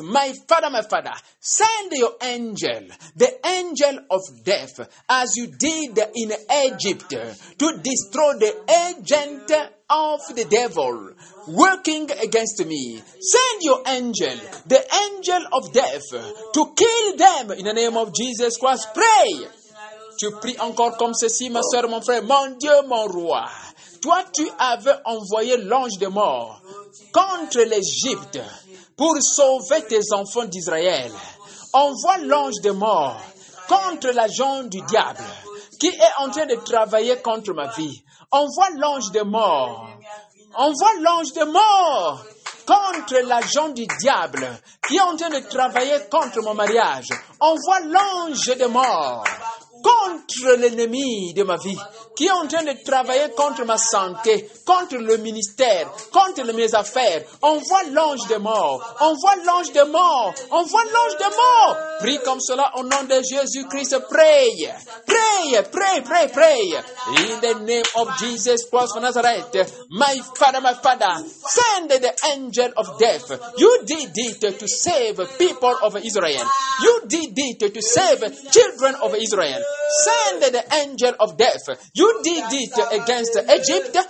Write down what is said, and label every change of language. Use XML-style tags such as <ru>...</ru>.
<en>My father, send your angel, the angel of death, as you did in Egypt, to destroy the agent of the devil working against me. Send your angel, the angel of death, to kill them in the name of Jesus Christ. Pray.</en> <fr>Tu pries encore comme ceci, ma soeur, mon frère. Mon Dieu, mon roi. Toi, tu avais envoyé l'ange de mort contre l'Égypte pour sauver tes enfants d'Israël. Envoie l'ange de mort contre l'agent du diable qui est en train de travailler contre ma vie. Envoie l'ange de mort. Envoie l'ange de mort contre l'agent du diable qui est en train de travailler contre mon mariage. Envoie l'ange de mort contre l'ennemi de ma vie, qui est en train de travailler contre ma santé, contre le ministère, contre mes affaires. Envoie l'ange de mort. Envoie l'ange de mort. Envoie l'ange de mort. Prie comme cela au nom de Jésus-Christ. Prie. Prie. Prie. Prie. Prie.</fr> <en>In the name of Jesus Christ of Nazareth. My father, send the angel of death. You did it to save people of Israel. You did it to save children of Israel. Send the angel of death. You did it against Egypt.</en>